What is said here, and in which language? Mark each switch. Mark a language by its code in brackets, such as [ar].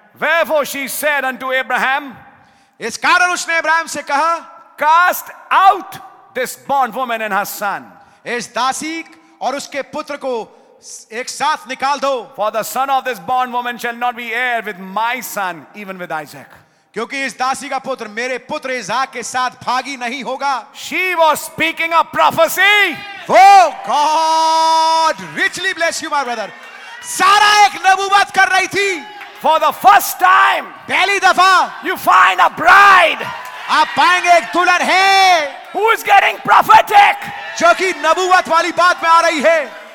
[en] Wherefore she said unto Abraham, [hi] इस कारण उसने इब्राहिम से कहा, [en] cast out this bond woman and her son. [hi] इस दासी और उसके पुत्र को एक साथ निकाल दो. [en] For the son of this bond woman shall not be heir with my son, even with Isaac. [hi] क्योंकि इस दासी का पुत्र मेरे पुत्र इसहाक के साथ भागी नहीं होगा. [en] She was speaking a prophecy. Oh God, richly bless you, my brother. [hi] सारा एक नबूवत कर रही थी. [en] For the first time, [hi] पहली दफा, [en] you find a bride. [hi] आप पाएंगे एक दुल्हन है. [en] Who is getting prophetic? [hi] जो कि नबूवत वाली बात में आ रही है.